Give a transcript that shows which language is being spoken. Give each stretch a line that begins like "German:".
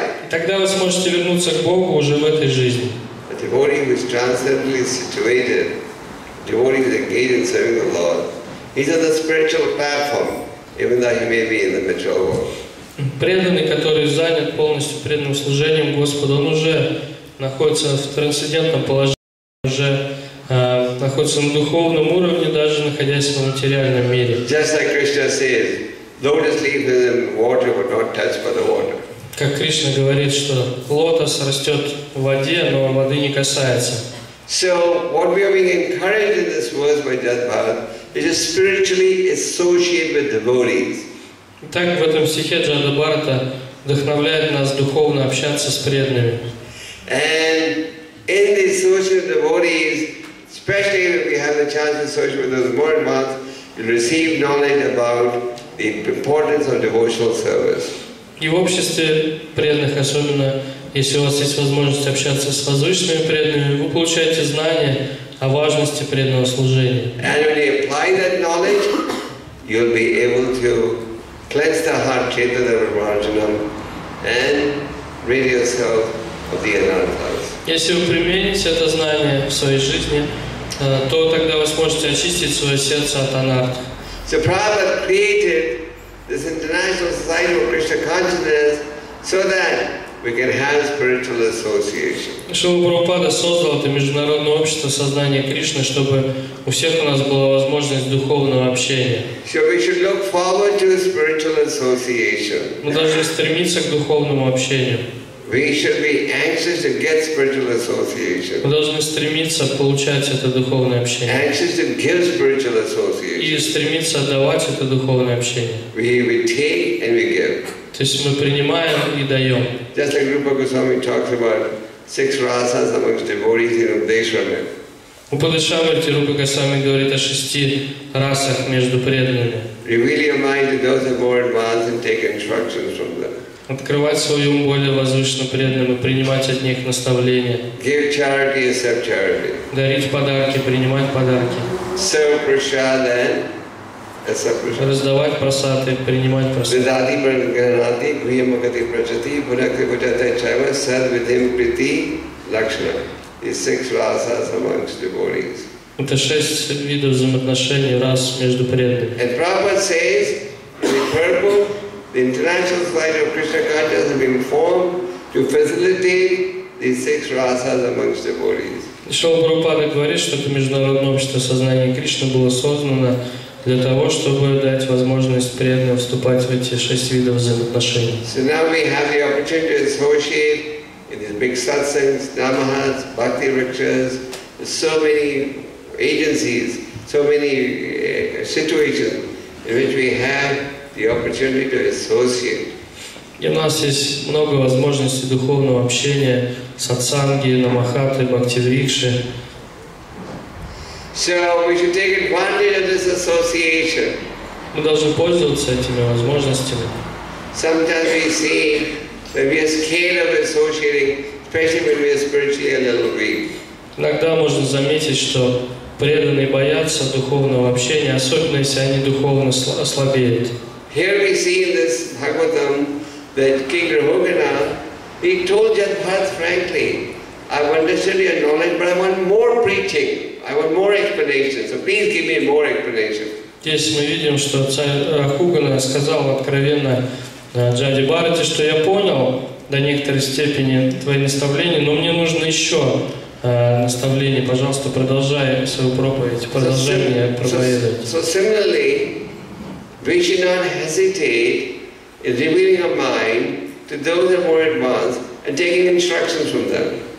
Russian: Тогда вы сможете вернуться к Богу уже в этой жизни.
English: A devotee who is transcendently situated, a devotee who is engaged in serving the Lord, he's on the spiritual platform, even though he may be in the material world.
Russian: Преданный, который занят полностью преданным служением Господу, он уже находится в трансцендентном положении, уже находится на духовном уровне, даже находясь в материальном мире.
English: Just like Krishna says, lotus leaf is in water, but not touched by the water.
Russian: Как Кришна говорит, что лотос растет в воде, но воды не касается.
English: So what we are being encouraged in this verse by Jadhana is to spiritually associate with devotees.
Russian: Так в этом стихе Джанда Барата вдохновляет нас духовно общаться с преданными.
English: And in the associate with devotees, especially if we have the chance to associate with those more advanced, you'll receive knowledge about the importance of devotional service.
Russian: И в обществе преданных, особенно если у вас есть возможность общаться с возвышенными преданными, вы получаете знания о важности преданного служения.
English: And when you apply that knowledge, you'll be able to cleanse the heart, chaitanya, and rid yourself of the Anantas.
Russian: Если вы примените это знание в своей жизни, то тогда вы сможете очистить свое сердце от анарт.
English: So Prabhupada created this international society of Krishna consciousness so that we can have spiritual association.
Russian: Шрила Прабхупада создал это международное общество сознания Кришны, чтобы у всех у нас была возможность духовного общения.
English: So we should look forward to spiritual association.
Russian: Мы должны стремиться к духовному общению.
English: We should be anxious to get spiritual association.
Russian: Мы должны стремиться получать это духовное общение.
English: Anxious to give spiritual association.
Russian: И стремиться отдавать это духовное общение.
English: We take and we give.
Russian: То есть мы принимаем и даем.
English: Just like Rupa Goswami talks about six rasas amongst devotees in Udeshwamit.
Russian: Упадешамрити Рупа Госвами говорит о шести расах между преданными.
English: Reveal your mind to those who are more advanced and take instructions from them.
Russian: Открывать свой ум более возвышенно преданным и принимать от них наставления.
English: Give charity, accept charity.
Russian: Дарить подарки, принимать подарки.
English: Serve prasad and accept prasad.
Russian: Раздавать прасад и принимать прасад.
Sanskrit: Vidadi pranagranati kriyamagati prajati bhunakti bhujatai chaiva sad vidhim priti lakshana.
English: These six rasas amongst devotees.
Russian: Это шесть видов взаимоотношений, рас между преданными.
English: And Prabhupada says, in purple, the international society of Krishna consciousness has been formed to facilitate these six rasas amongst devotees.
Russian: Шрила Прабхупада говорит, что это международное общество сознания Кришны было создано для того, чтобы дать возможность преданным вступать в эти шесть видов взаимоотношений.
English: So now we have the opportunity to associate in these big satsangs, namahats, bhakti rikshas, so many agencies, so many situations in which we have the opportunity to associate.
Russian: И у нас есть много возможностей духовного общения, сатсанги, намахаты, бхакти-рикши.
English: So we should take advantage of this association.
Russian: Мы должны пользоваться этими возможностями.
English: Sometimes we see that we are scared of associating, especially when we are spiritually a little weak.
Russian: Иногда можно заметить, что преданные боятся духовного общения, особенно если они духовно ослабеют.
English: Here we see in this Bhagavatam that King Rahugana, he told Jatpat frankly, I've understood your knowledge, but I want more preaching. I want more explanation. So please give me more explanation.
Russian: Здесь мы видим, что царь Рахугана сказал откровенно Джади Барати, что я понял до некоторой степени твои наставления, но мне нужно еще наставление. Пожалуйста, продолжай свою проповедь. Продолжай мне проповедовать.
English: So similarly, we should not hesitate in revealing our mind to those who are more advanced and taking instructions from them.